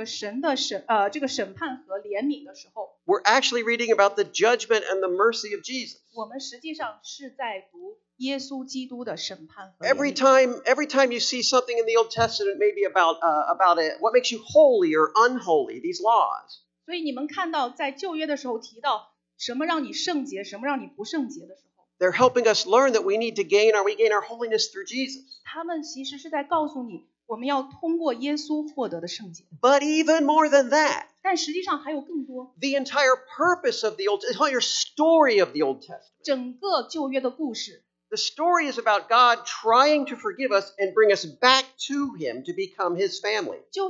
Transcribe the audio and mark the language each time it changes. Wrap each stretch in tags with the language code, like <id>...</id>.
<zh>每次我们在旧约来提到这个审判和怜悯的时候,</zh> <en>we're actually reading about the judgment and the mercy of Jesus.</en> <zh>我们实际上是在读耶稣基督的审判和怜悯。</zh> <en>Every time you see something in the Old Testament, maybe about it, what makes you holy or unholy, these laws,</en> <zh>所以你们看到在旧约的时候提到什么让你圣洁，什么让你不圣洁的时候，</zh> <en>They're helping us learn that we need to gain or we gain our holiness through Jesus.</en> <zh>他们其实是在告诉你，我们要通过耶稣获得的圣洁。</zh> <en>But even more than that,</en> <zh>但实际上还有更多。</zh> <en>The entire purpose of the Old Testament, the entire story of the Old Testament,</en> <zh>整个旧约的故事。</zh> <en>The story is about God trying to forgive us and bring us back to Him to become His family.</en>